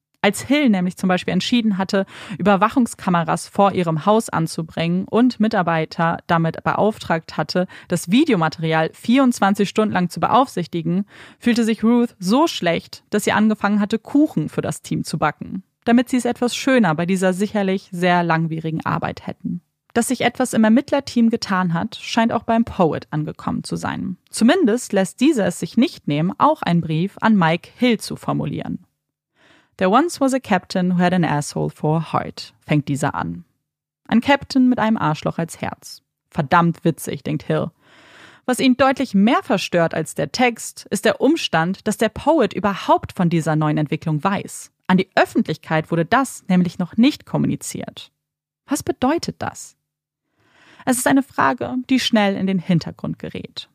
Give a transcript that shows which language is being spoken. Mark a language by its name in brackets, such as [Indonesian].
[German] Als Hill nämlich zum Beispiel entschieden hatte, Überwachungskameras vor ihrem Haus anzubringen und Mitarbeiter damit beauftragt hatte, das Videomaterial 24 Stunden lang zu beaufsichtigen, fühlte sich Ruth so schlecht, dass sie angefangen hatte, Kuchen für das Team zu backen, damit sie es etwas schöner bei dieser sicherlich sehr langwierigen Arbeit hätten. Dass sich etwas im Ermittlerteam getan hat, scheint auch beim Poet angekommen zu sein. Zumindest lässt dieser es sich nicht nehmen, auch einen Brief an Mike Hill zu formulieren. [English] There once was a captain who had an asshole for a heart, [German] fängt dieser an. Ein Captain mit einem Arschloch als Herz. Verdammt witzig, denkt Hill. Was ihn deutlich mehr verstört als der Text, ist der Umstand, dass der Poet überhaupt von dieser neuen Entwicklung weiß. An die Öffentlichkeit wurde das nämlich noch nicht kommuniziert. Was bedeutet das? Es ist eine Frage, die schnell in den Hintergrund gerät.